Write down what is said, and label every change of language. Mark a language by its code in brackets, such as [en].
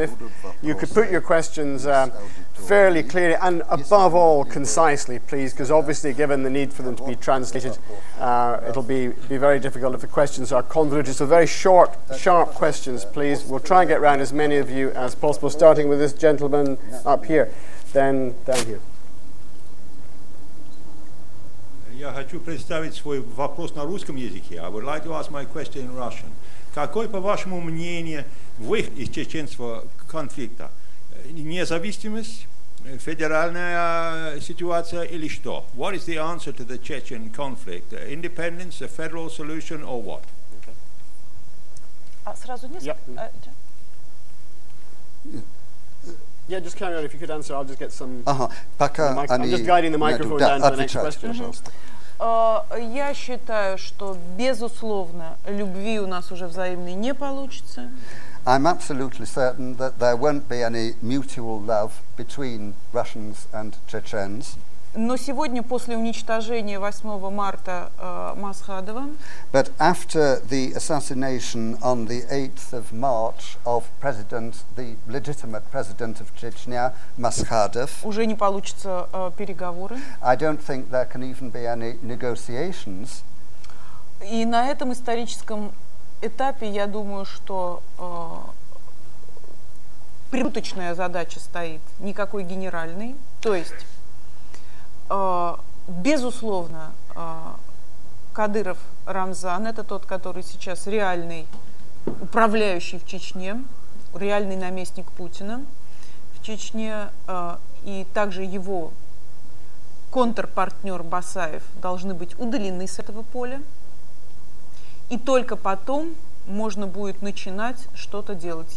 [en] If you could put your questions fairly clearly and above all concisely, please, because obviously given the need for them to be translated, it'll be very difficult if the questions are convoluted. So very short, sharp questions, please. We'll try and get around as many of you as possible, starting with this gentleman up here, then down here. [ru] Я хочу представить свой вопрос на русском языке. [en] I would like to ask my question in Russian. [ru] Какой, по вашему мнению, выход из чеченского конфликта? Независимость, федеральная ситуация или что? [en] What is the answer to the Chechen conflict? Independence, a federal solution or what? [ru] Okay. А сразу [en] Yeah, just carry on if you could answer. I'll just get some... [ru] Пока они... [en] I'm just guiding the microphone down to the next question. [ru] Я считаю, что безусловно любви у нас уже взаимной не получится. [en] I'm absolutely certain that there won't be any mutual love between Russians and Chechens. [ru] Но сегодня после уничтожения 8 марта Масхадова. [en] But after the assassination on the 8th of March of president, the legitimate president of Chechnya, Масхадов. [ru] Уже не получится переговоры. [en] I don't think there can even be any negotiations. [ru] И на этом историческом этапе я думаю, что промежуточная задача стоит, никакой генеральной, то есть. Безусловно, Кадыров Рамзан – это тот, который сейчас реальный управляющий в Чечне, реальный наместник Путина в Чечне, и также его контрпартнер Басаев должны быть удалены с этого поля, и только потом можно будет начинать что-то делать.